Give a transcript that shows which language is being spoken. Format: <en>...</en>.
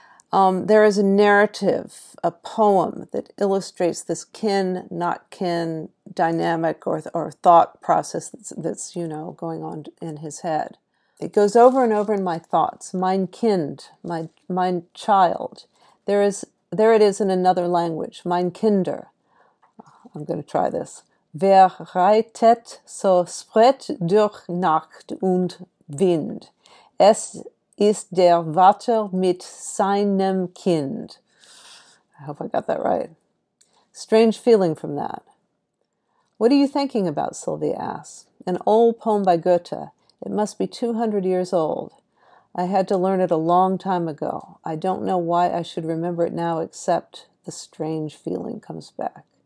<en>There is a narrative, a poem, that illustrates this kin, not kin dynamic or thought process that's, you know, going on in his head. It goes over and over in my thoughts,</en> <de>mein Kind, mein</de> <en>child. There it is in another language,</en> <de>mein Kinder.</de> <en>I'm going to try this.</en> <de>Wer reitet so spät durch Nacht und Wind? Es ist der Vater mit seinem Kind.</de> <en>I hope I got that right. Strange feeling from that. What are you thinking about? Sylvia asks. An old poem by Goethe. It must be 200 years old. I had to learn it a long time ago. I don't know why I should remember it now, except the strange feeling comes back.</en>